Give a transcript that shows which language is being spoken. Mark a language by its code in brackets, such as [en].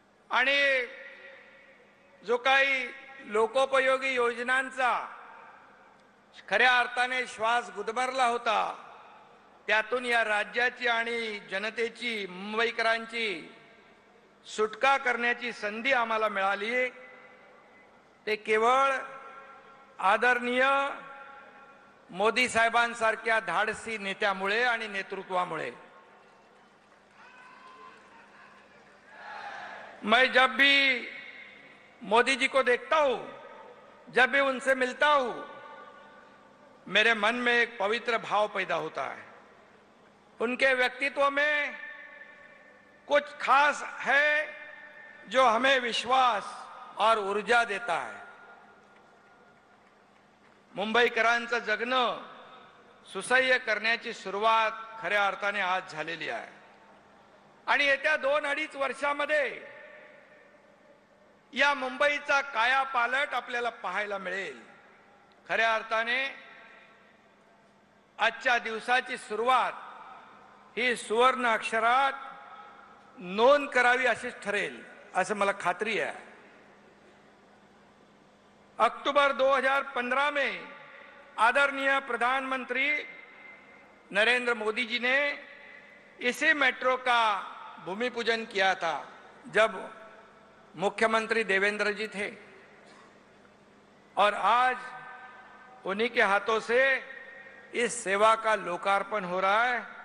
[mr] आणि जो काही लोकोपयोगी योजनांचा खऱ्या अर्थाने श्वास गुदमरला होता त्यातून या राज्याची आणि जनतेची मुंबईकरांची सुटका करण्याची संधी आम्हाला मिळाली ते केवळ आदरणीय मोदी साहेबांसारख्या धाडसी नेत्यामुळे आणि नेतृत्वामुळे। [hi] मैं जब भी मोदी जी को देखता हूं, जब भी उनसे मिलता हूं, मेरे मन में एक पवित्र भाव पैदा होता है। उनके व्यक्तित्व में कुछ खास है जो हमें विश्वास और ऊर्जा देता है। [mr] मुंबईकरांचं जगणं सुसह्य करण्याची सुरुवात खऱ्या अर्थाने आज झालेली आहे आणि येत्या 2-2.5 वर्षांमध्ये या मुंबईचा कायापालट आपल्याला पाहायला मिळेल। खऱ्या अर्थाने आजच्या दिवसाची सुरुवात ही सुवर्ण अक्षरात नोंद करावी अशीच ठरेल असं मला खात्री आहे। [hi] अक्टूबर 2015 में आदरणीय प्रधानमंत्री नरेंद्र मोदी जी ने इसी मेट्रो का भूमि पूजन किया था जब मुख्यमंत्री देवेंद्र जी थे और आज उन्हीं के हाथों से इस सेवा का लोकार्पण हो रहा है।